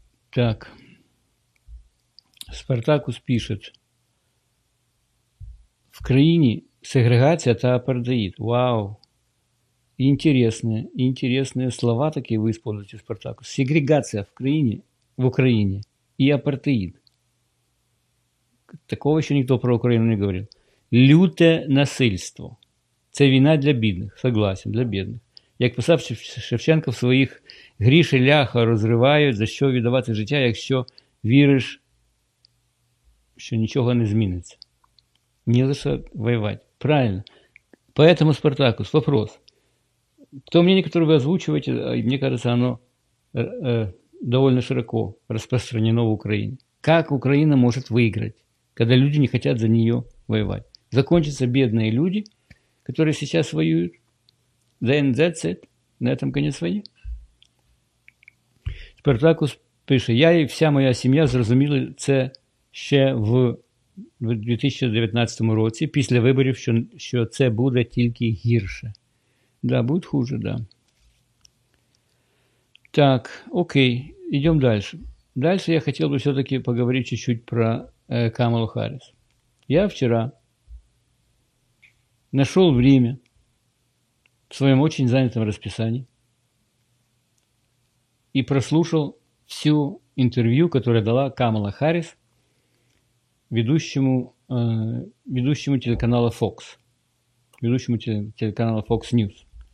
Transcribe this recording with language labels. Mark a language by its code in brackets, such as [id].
[ru] Так, Спартакус пишет, в Украине сегрегация та апартеид. Вау, интересные слова такие вы используете, Спартакус. Сегрегация в Украине и апартеид. Такого еще никто про Украину не говорил. [uk] Люте насильство. Це війна для бідних, согласен, для бідних. Як писав Шевченко в своїх «Гріші ляха розривають, за що віддавати життя, якщо віриш, що нічого не зміниться». Не лише воювати. Правильно. [ru] Поэтому, Спартакус, вопрос. [uk] То мені, яке ви озвучуєте, мені здається, воно доволі широко розпространено в Україні. Як Україна може виграти, коли люди не хочуть за неї воювати? Закончаться бідні люди, які зараз воюють. [en] Then that's it. [ru] На этом конец войны. [uk] Спартакус пише, я і вся моя сім'я зрозуміли це ще в 2019 році, після виборів, що це буде тільки гірше. Да, буде хуже, да. Так, окей, йдемо далі. Далі я хотів би все-таки поговорити чуть-чуть про Камалу Харріс. Я вчора [ru] нашел время в своем очень занятом расписании и прослушал всю интервью, которое дала Камала Харрис ведущему телеканала Fox, ведущему телеканала Fox News.